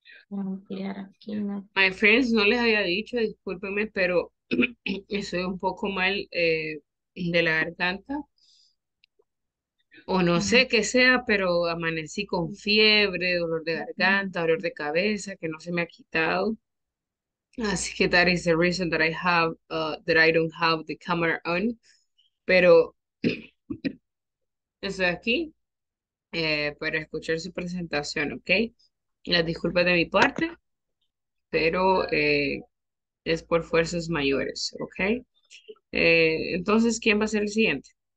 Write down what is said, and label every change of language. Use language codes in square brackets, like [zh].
[en] My friends, [es] no les había dicho, discúlpenme, pero estoy un poco mal de la garganta. O no sé qué sea, pero amanecí con fiebre, dolor de garganta, dolor de cabeza, que no se me ha quitado. Así que [en] that is the reason that I have, that I don't have the camera on. [es] Pero estoy aquí para escuchar su presentación, ¿ok? Las disculpas de mi parte, pero es por fuerzas mayores, ¿ok? Entonces, ¿quién va a ser el siguiente?